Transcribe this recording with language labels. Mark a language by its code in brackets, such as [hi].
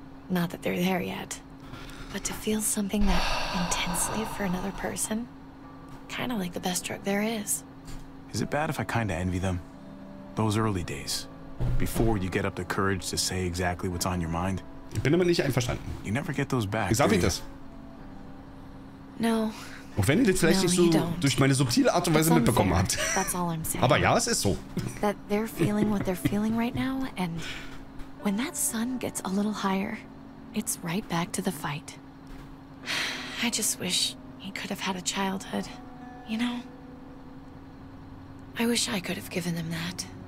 [en] Not that they're there yet, but to feel something that intensely for another person, kind of like the best drug there is. Is it bad if I kind of envy them? Those early days, before you get up the courage to say exactly what's on your mind? [de] Ich bin damit nicht einverstanden. [en] You never get those back. [de] Sag ich das? [en] No. [de] Auch wenn ihr das vielleicht nicht so durch meine subtile Art und Weise mitbekommen habt. [en] That's all I'm saying. [de] Aber ja, es ist so. [en] That they're feeling what they're feeling right now, and when that sun gets a little higher, it's right back to the fight. I just wish he could have had a childhood, you know? I wish I could have given them that.